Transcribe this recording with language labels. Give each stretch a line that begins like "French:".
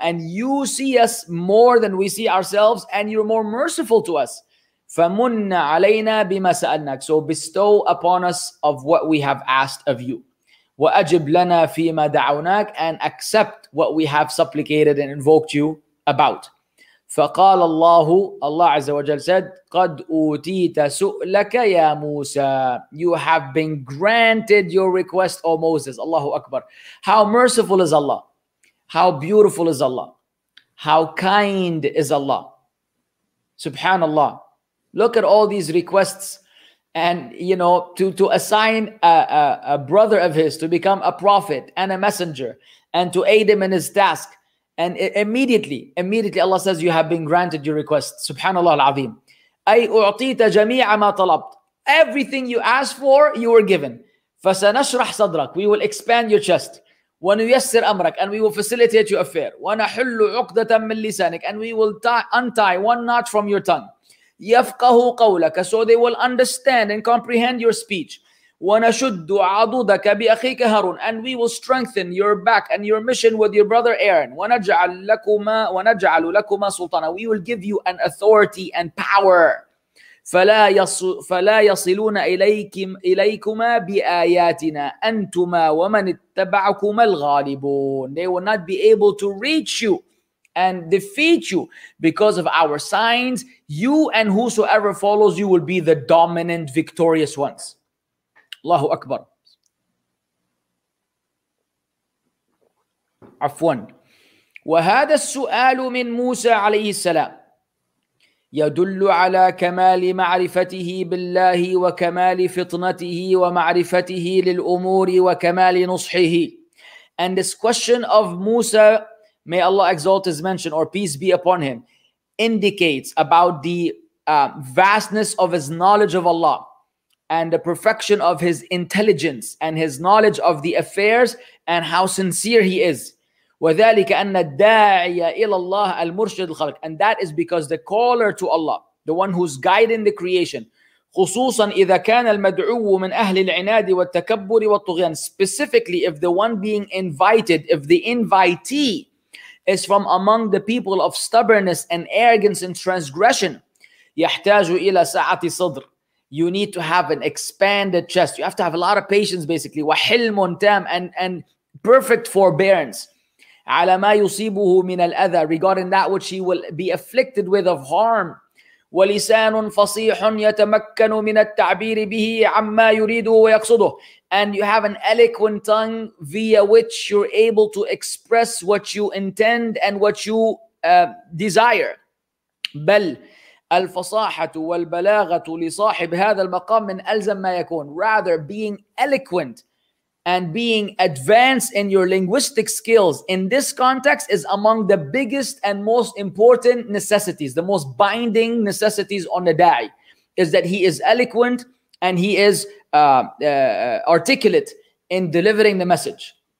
English: And you see us more than we see ourselves, and you're more merciful to us.
Arabic: فَمُنَّ عَلَيْنَا بِمَا سَأَلْنَاكَ.
English: So bestow upon us of what we have asked of you.
Arabic: وَأَجِبْ لَنَا فِيمَا دَعَوْنَاكَ.
English: And accept what we have supplicated and invoked you about.
Arabic: فَقَالَ اللَّهُ,
English: Allah Azza wa Jal said,
Arabic: قَدْ أُوتِيتَ سُؤْلَكَ يَا مُوسَى.
English: You have been granted your request, O Moses. Allahu Akbar. How merciful is Allah? How beautiful is Allah? How kind is Allah? Subhanallah. Look at all these requests. And, you know, to assign a brother of his to become a prophet and a messenger and to aid him in his task. And immediately Allah says, you have been granted your request.
Arabic: Subhanallah al-Azim. أي أعطيت جميع ما طلبت.
English: Everything you asked for, you were given.
Arabic: فسنشرح صدرك.
English: We will expand your chest.
Arabic: ونيسر أمرك.
English: And we will facilitate your affair.
Arabic: ونحل عقدة من لسانك.
English: And we will untie one knot from your tongue.
Arabic: يَفْقَهُ قَوْلَكَ.
English: So they will understand and comprehend your speech.
Arabic: ونشد عضدك بأخيك هارون.
English: And we will strengthen your back and your mission with your brother Aaron.
Arabic: ونجعل لكما سلطانا.
English: We will give you an authority and power.
Arabic: فلا يصلون إليكما بآياتنا أنتما ومن اتبعكما الغالبون.
English: They will not be able to reach you and defeat you because of our signs. You and whosoever follows you will be the dominant victorious ones.
Arabic: الله أكبر. عفوا. وهذا السؤال من موسى عليه السلام يدل على كمال معرفته بالله وكمال فطنته ومعرفته للأمور وكمال نصحه.
English: And this question of Musa, may Allah exalt his mention or peace be upon him, indicates about the vastness of his knowledge of Allah and the perfection of his intelligence and his knowledge of the affairs and how sincere he is.
Arabic: وَذَلِكَ أَنَّ الدَّاعِيَ إِلَى اللَّهِ الْمُرْشِدِ الْخَلْقِ.
English: And that is because the caller to Allah, the one who's guiding the creation,
Arabic: خُصُوصًا إِذَا كَانَ الْمَدْعُوُ مِنْ أَهْلِ الْعِنَادِ وَالتَّكَبُّرِ وَالطُّغْيَانِ.
English: Specifically, if the one being invited, if the invitee is from among the people of stubbornness and arrogance and transgression,
Arabic: يَحْتَاجُ إِلَى سَعَةِ صَدْرِ.
English: You need to have an expanded chest. You have to have a lot of patience, basically.
Arabic: وَحِلْمٌ تَامٌ
English: and perfect forbearance.
Arabic: على ما يصيبه من الأذى,
English: regarding that which he will be afflicted with of harm.
Arabic: ولسان فصيح يتمكن من التعبير به عما يريده ويقصده.
English: And you have an eloquent tongue via which you're able to express what you intend and what you desire.
Arabic: بل الفصاحة والبلاغة لصاحب هذا المقام من ألزم ما يكون.
English: Rather, being eloquent and being advanced in your linguistic skills in this context is among the biggest and most important necessities, the most binding necessities on the da'i, is that he is eloquent and he is articulate in delivering the message.